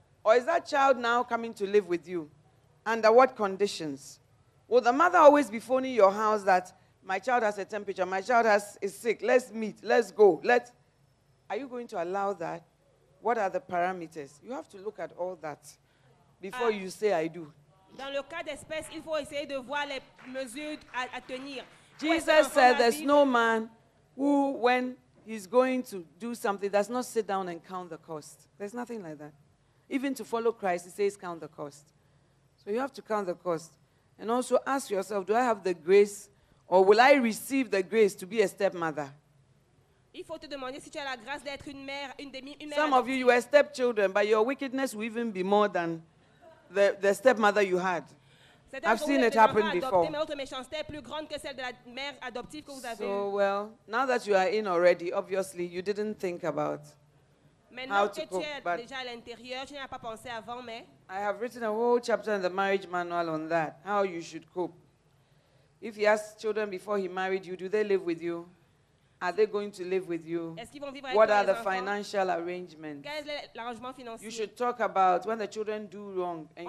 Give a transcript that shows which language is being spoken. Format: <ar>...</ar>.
<en>Or is that child now coming to live with you? Under what conditions? Will the mother always be phoning your house that my child has a temperature, my child is sick, let's meet, let's go, are you going to allow that? What are the parameters? You have to look at all that before you say I do.</en> <fr>Dans le cas d'espèce, il faut essayer de voir les mesures à tenir.</fr> <en>Jesus said there's no man who, when he's going to do something, does not sit down and count the cost. There's nothing like that. Even to follow Christ, he says count the cost. So you have to count the cost. And also ask yourself, do I have the grace, or will I receive the grace to be a stepmother?</en> <fr>Il faut te demander si tu as la grâce d'être une mère, une demi-mère.</fr> <en>Some of you are stepchildren, but your wickedness will even be more than the stepmother you had. I've seen it happen before.</en> <fr>Mais votre méchanceté est plus grande que celle de la mère adoptive que vous avez.</fr> <en>So well, now that you are in already, obviously you didn't think about how to cook.</en> <fr>Maintenant que tu es déjà à l'intérieur, tu n'as pas pensé avant, mais.</fr> <en>I have written a whole chapter in the marriage manual on that, how you should cope. If he has children before he married you, do they live with you? Are they going to live with you?</en> <fr>Est-ce qu'ils vont vivre avec</fr> <en>what</en> <fr>les</fr> <en>are the</en> <fr>enfants?</fr> <en>Financial arrangements?</en> <fr>Quel est l'arrangement financier?</fr> <en>You should talk about when the children do wrong and</en>